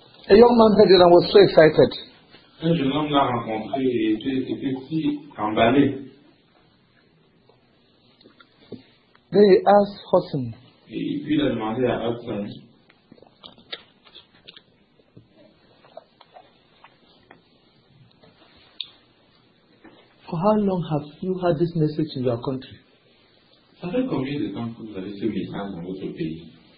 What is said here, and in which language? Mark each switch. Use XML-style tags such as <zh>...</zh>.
<en>A young man heard it and was so excited.</en> <fr>Un jeune homme l'a rencontré et était si emballé.</fr> <en>Then he asked Hudson.</en> <fr>Et puis il a demandé à Hudson.</fr> <en>For how long have you had this message in your country?</en> <fr>Ça fait combien de temps que vous avez ce message dans votre pays?</fr>